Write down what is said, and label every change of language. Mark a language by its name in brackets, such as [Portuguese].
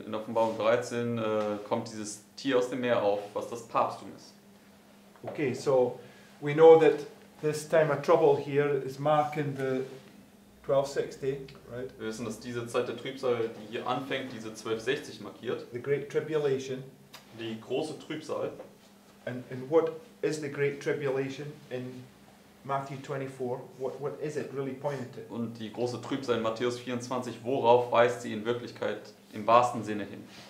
[German] In Offenbarung 13 kommt dieses Tier aus dem Meer auf, was das Papsttum ist. [English] Okay, so we know that this time of trouble here is marking the 1260, right? [German] Wir wissen, dass diese Zeit der Trübsal, die hier anfängt, diese 1260 markiert. [English] The Great Tribulation. [German] Die große Trübsal. [English] And what is the Great Tribulation in Matthew 24, what is it really pointed to? [German] Und die große Trübsal in Matthäus 24, worauf weist sie in Wirklichkeit im wahrsten Sinne hin?